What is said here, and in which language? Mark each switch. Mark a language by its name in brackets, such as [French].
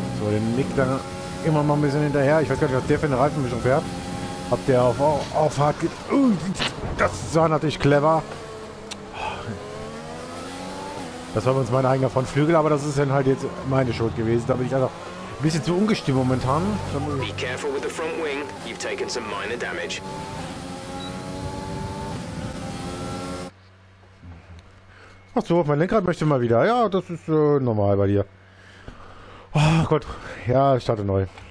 [German] Den Nick dann immer mal ein bisschen hinterher. Ich weiß gar nicht, was der für eine Reifenmischung fährt. Ob der auf hart geht. Das war natürlich clever. Das war uns mein eigener Frontflügel, aber das ist dann halt jetzt meine Schuld gewesen. Da bin ich einfach ein bisschen zu ungestimmt momentan. [English] Be careful with the front wing. You've taken some minor damage. [German] Ach so, mein Lenkrad möchte mal wieder. Ja, das ist normal bei dir. Oh Gott, ja, ich starte neu.